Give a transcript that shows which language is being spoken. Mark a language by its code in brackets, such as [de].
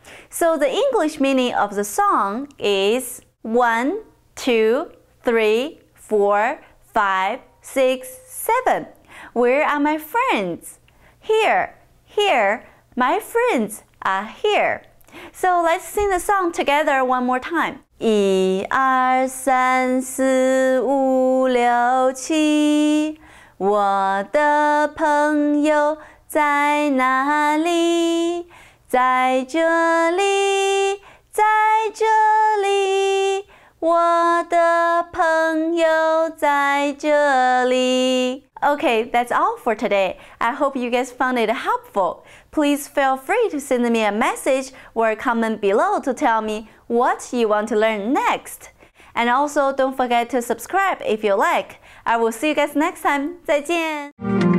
[en] So, the English meaning of the song is 1, 2, 3, 4, 5, 6, 7. Where are my friends? Here, here, my friends are here. So let's sing the song together one more time. [zh] 一、二、三、四、五、六、七 我的朋友在哪里？在这里，在这里，我的朋友在这里。 [en] Okay, that's all for today. I hope you guys found it helpful. Please feel free to send me a message or comment below to tell me what you want to learn next. And also, don't forget to subscribe if you like. I will see you guys next time. [zh] 再见!